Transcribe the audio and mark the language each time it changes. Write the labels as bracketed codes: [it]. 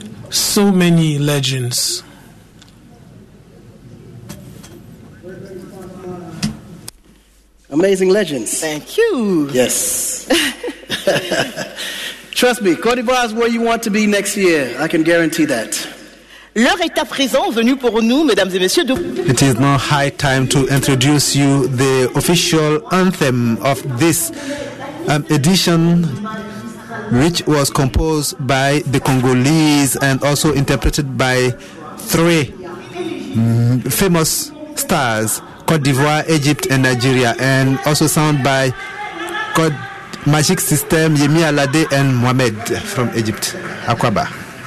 [en] So many legends. Amazing legends. Thank you. Yes. Trust me, Côte d'Ivoire is where you want to be next year. I can guarantee that. [fr] L'heure est à présent venue pour nous, mesdames et messieurs. [en] It is now high time to introduce you the official anthem of this edition, which was composed by the Congolese and also interpreted by three famous stars: Côte d'Ivoire, Egypt, and Nigeria, and also sung by Magic System, Yemi Alade, and Mohamed from Egypt, Akwaba.